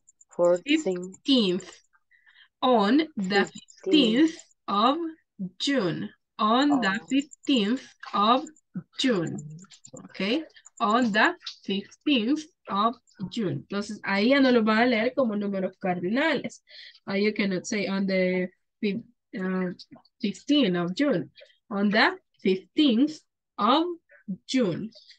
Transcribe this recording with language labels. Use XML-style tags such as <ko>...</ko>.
<en>Fourteenth, on the 15th of June, on the 15th of June, okay, on the 15th of June.</en> <es>Entonces, ahí ya no lo van a leer como números cardinales.</es> <en>You cannot say on the 15th of June, on the 15th of June.</en>